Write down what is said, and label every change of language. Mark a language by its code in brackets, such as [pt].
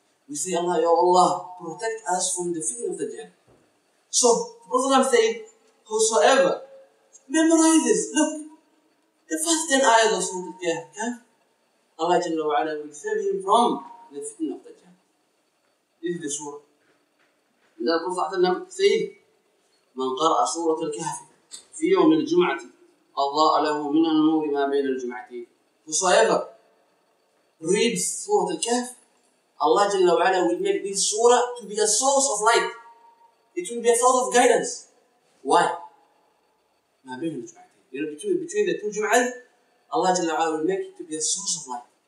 [en] We say Allah, Ya Allah, protect us from the fitna of the Dajjal. So, the Prophet ﷺ said, whosoever memorizes, look, the first 10 ayahs of Surah Al-Kahf, Allah جل وعلا will save him from the fitna of the Dajjal. This is the surah. And the Prophet ﷺ said, [ar] من قرأ سورة الكهف في يوم الجمعة أضاء له من النور ما بين الجمعتين. [en] Whosoever reads Surah Al-Kahf, Allah Jalla wa'ala will make this surah to be a source of light. It will be a source of guidance. Why? Between the two Jum'ahs, Allah Jalla wa'ala will make it to be a source of light.